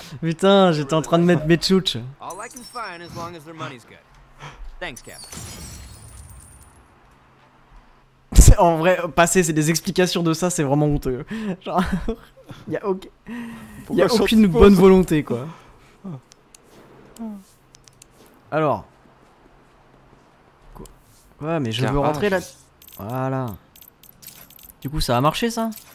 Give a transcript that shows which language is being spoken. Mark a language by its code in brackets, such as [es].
[fr] Putain, j'étais en train de mettre mes tchouches. [en] All I can find as long as their money's good. Thanks, Cap. [fr] En vrai, passer c'est des explications de ça, c'est vraiment honteux. Genre, y'a okay, aucune bonne volonté, quoi. Alors. Ouais, mais je veux rentrer là. Voilà. Du coup, ça a marché, ça?